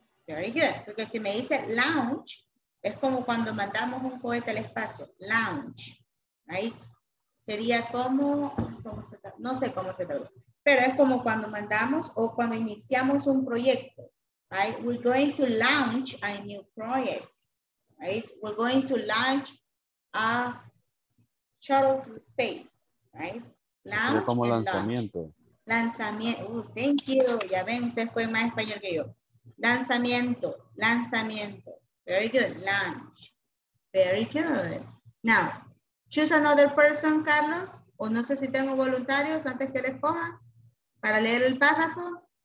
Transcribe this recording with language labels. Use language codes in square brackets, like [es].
[en] Very good, [es] porque si me dice lounge, es como cuando mandamos un cohete al espacio, lounge, right? Sería como, no sé cómo se traduce, pero es como cuando mandamos o cuando iniciamos un proyecto. [en] Right, we're going to launch a new project. Right, we're going to launch a shuttle to space. Right, [es] launch. Como lanzamiento. [en] Lanzamiento. Thank you. [es] Ya ven, usted fue más español que yo. Lanzamiento. Lanzamiento. [en] Very good. Launch. Very good. Now, choose another person, Carlos. [es] O no sé si tengo voluntarios antes que le escoja para leer el párrafo.